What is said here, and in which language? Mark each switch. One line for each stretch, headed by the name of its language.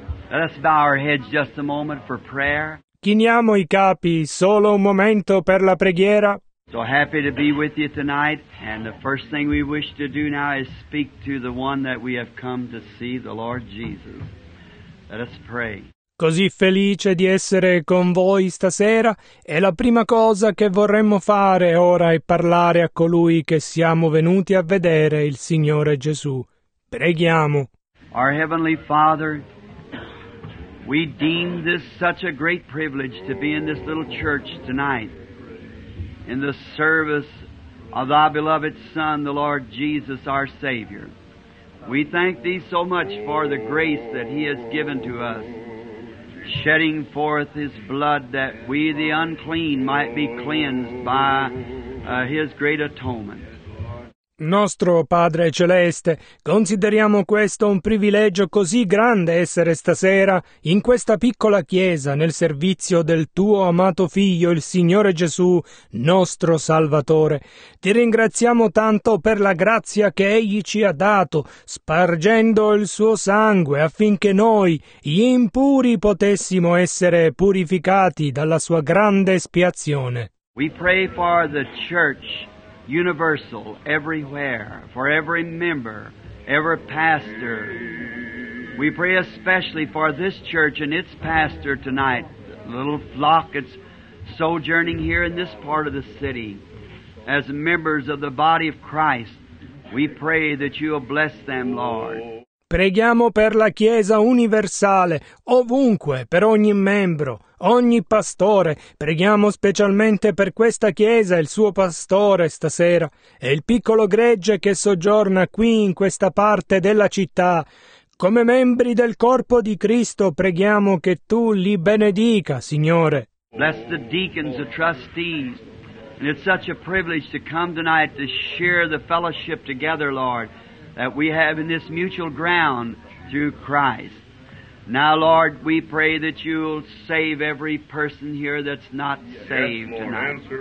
English: Let us bow our heads just a moment for prayer.
Italian: Chiniamo i capi, solo un momento per la preghiera.
English: So happy to be with you tonight, and the first thing we wish to do now is speak to the one that we have come to see, the Lord Jesus. Let us pray.
Italian: Così felice di essere con voi stasera, e la prima cosa che vorremmo fare ora è parlare a colui che siamo venuti a vedere, il Signore Gesù. Preghiamo.
English: Our Heavenly Father, we deem this such a great privilege to be in this little church tonight in the service of thy beloved Son, the Lord Jesus, our Savior. We thank thee so much for the grace that he has given to us, shedding forth his blood that we, the unclean, might be cleansed by his great atonement.
Italian: Nostro Padre Celeste, consideriamo questo un privilegio così grande essere stasera in questa piccola chiesa nel servizio del Tuo amato Figlio, il Signore Gesù, nostro Salvatore. Ti ringraziamo tanto per la grazia che Egli ci ha dato, spargendo il Suo sangue affinché noi, gli impuri, potessimo essere purificati dalla Sua grande espiazione.
English: We pray for the church. Universal, everywhere, for every member, every pastor. We pray especially for this church and its pastor tonight, the little flock that's sojourning here in this part of the city. As members of the body of Christ, we pray that you will bless them, Lord.
Italian: Preghiamo per la Chiesa universale, ovunque, per ogni membro, ogni pastore. Preghiamo specialmente per questa Chiesa e il suo pastore stasera, e il piccolo gregge che soggiorna qui in questa parte della città. Come membri del corpo di Cristo, preghiamo che tu li benedica, Signore.
English: Bless the deacons, the trustees, and it's such a privilege to come tonight to share the fellowship together, Lord, that we have in this mutual ground through Christ. Now, Lord, we pray that you'll save every person here that's not saved tonight.